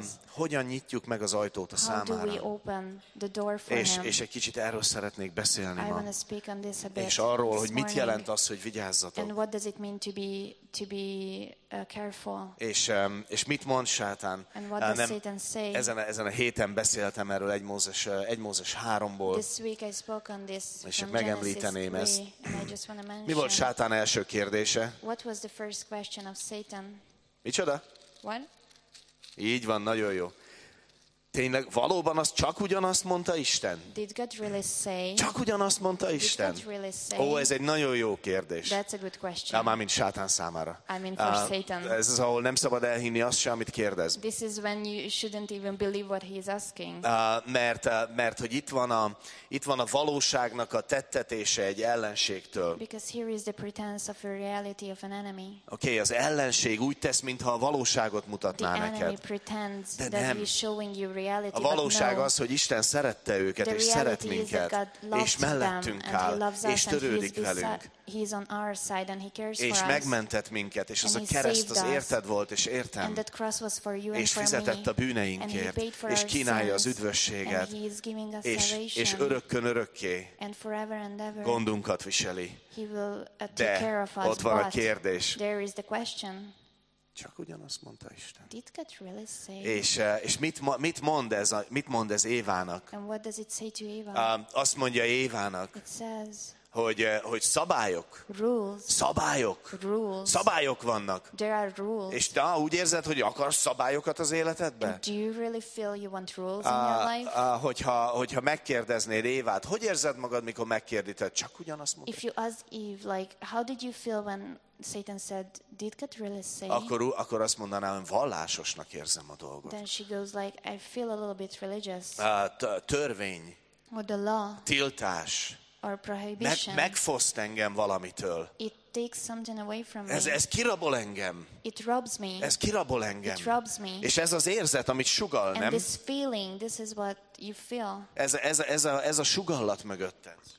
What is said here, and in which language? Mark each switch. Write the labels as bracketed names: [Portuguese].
[Hungarian] Hogyan nyitjuk meg az ajtót a [English] how [Hungarian] számára? És egy kicsit erről szeretnék beszélni [English] I [Hungarian] ma. És arról, hogy mit jelent az, hogy vigyázzatok. [English] And what does it mean to be careful. [Hungarian] És mit mond Sátán? [English] And what does Satan say? [Hungarian] Ezen a héten beszéltem erről egy Mózes 3-ból. [English] This week I spoke on this. [Hungarian] És megemlíteném ezt. [English] And I just want to mention. [Hungarian] Mi volt Sátán első kérdése? [English] What was the first question of Satan? [Hungarian] Micsoda? [English] What? [Hungarian] Így van, nagyon jó. Tényleg, valóban az csak ugyanazt mondta Isten? [English] Did God really say, [Hungarian] csak ugyanazt mondta Isten? [English] Really say, [Hungarian] ó, ez egy nagyon jó kérdés. [English] That's a good question. [Hungarian] Mármint Sátán számára. [English] I mean for Satan. [Hungarian] Ez az, ahol nem szabad elhinni azt sem, amit kérdez. [English] This is when you shouldn't even believe what he's asking. [Hungarian] Mert hogy itt van a valóságnak a tettetése egy ellenségtől. [English] Because here is the pretense of a reality of an enemy. [Hungarian] Okay, az ellenség úgy tesz, mintha a valóságot mutatná [English] the [Hungarian] neked. [English] Enemy pretends that he's showing you. [Hungarian] A valóság [English] no, [Hungarian] az, hogy Isten szerette őket, és szeret minket, és mellettünk áll, és törődik velünk. [English] He's on our side and he cares for us. [Hungarian] És megmentett minket, és az a kereszt az érted volt, és értem. [English] And that cross was for you and [Hungarian] és fizetett a bűneinkért, [English] and he paid for [Hungarian] és kínálja [English] our [Hungarian] az üdvösséget, [English] and he is giving us salvation, [Hungarian] és örökkön örökké [English] and forever and ever. [Hungarian] Gondunkat viseli. [English] He will take care of us, [Hungarian] ott van a kérdés. [English] There is the question. [Hungarian] Csak ugyanazt mondta Isten. [English] Did God really say? [Hungarian] És mit mond ez Évának? [English] And what does it say to Eva? [Hungarian] Azt mondja Évának. [English] It says, [Hungarian] hogy szabályok. [English] Rules. [Hungarian] Szabályok. [English] Rules. [Hungarian] Szabályok vannak. [English] There are rules. [Hungarian] És te úgy érzed, hogy akarsz szabályokat az életedben? [English] Do you really feel you want rules in your life? [Hungarian] Hogyha megkérdeznéd Évát, hogy érzed magad, mikor megkérdíted, csak ugyanazt mondod? [English] If you ask Eve, like, how did you feel when Satan said, did God really say? [Hungarian] Akkor azt mondanám, hogy vallásosnak érzem a dolgot. [English] Then she goes like, I feel a little bit religious. [Hungarian] Törvény. [English] Or the law. [Hungarian] Tiltás. [English] Or prohibition. [Hungarian] Megfoszt engem valamitől. [English] It takes something away from me. [Hungarian] Ez kirabol engem. [English] It robs me. [Hungarian] Ez kirabol engem. [English] It robs me. [Hungarian] És ez az érzet, amit sugall, [English] and [Hungarian] nem? [English] This feeling, this is what you feel. [Hungarian] Ez a sugallat mögötte.